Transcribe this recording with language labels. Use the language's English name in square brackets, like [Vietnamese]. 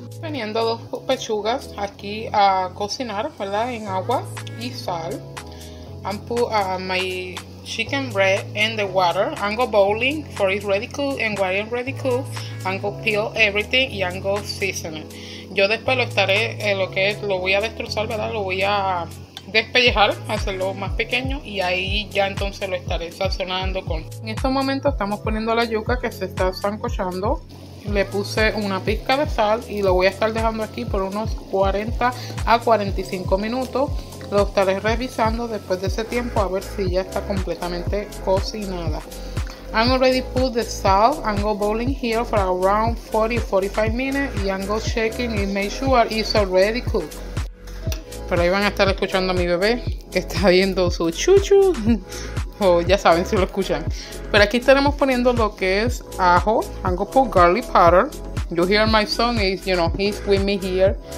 [Spanish] Poniendo dos pechugas aquí a cocinar, ¿verdad? En agua y sal. [English] I'm put my chicken breast in the water. I'm go boiling for it ready cool. And while it's ready cool, I'm go peel everything y I'm go season it. [Spanish] Yo después lo estaré, lo que es, lo voy a destrozar, ¿verdad? Lo voy a despellejar, hacerlo más pequeño, y ahí ya entonces lo estaré sazonando con. En estos momentos estamos poniendo la yuca que se está sancochando. Le puse una pizca de sal y lo voy a estar dejando aquí por unos 40 a 45 minutos. Lo estaré revisando después de ese tiempo a ver si ya está completamente cocinada. [English] I'm already put the salt and go boiling here for around 40-45 minutes y I'm go shaking and make sure it's already cooked. [Spanish] Pero ahí van a estar escuchando a mi bebé que está viendo su chuchu. O ya saben si lo escuchan. Pero aquí estaremos poniendo lo que es ajo. [English] I'm going to put garlic powder. You hear my son is, you know, he's with me here.